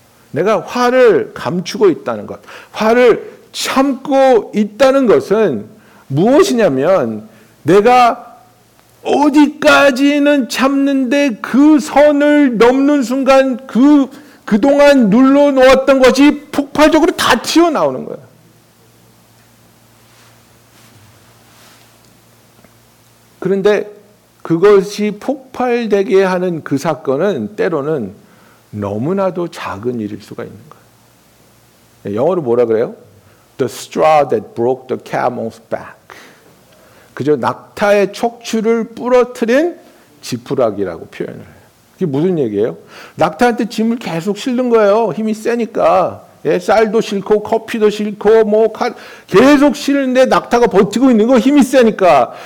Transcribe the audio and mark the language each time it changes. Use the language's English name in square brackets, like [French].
[Korean] 내가 화를 감추고 있다는 것, 화를 참고 있다는 것은 무엇이냐면 내가 어디까지는 참는데 그 선을 넘는 순간 그동안 눌러놓았던 것이 폭발적으로 다 튀어나오는 거야. 그런데 그것이 폭발되게 하는 그 사건은 때로는 너무나도 작은 일일 수가 있는 거예요. 영어로 뭐라 그래요? [English] The straw that broke the camel's back. [Korean] 그저 낙타의 척추를 부러뜨린 지푸라기라고 표현을 해요. 그게 무슨 얘기예요? 낙타한테 짐을 계속 싣는 거예요. 힘이 세니까. 예, 쌀도 싣고 커피도 싣고 뭐 계속 싣는데 낙타가 버티고 있는 거 힘이 세니까.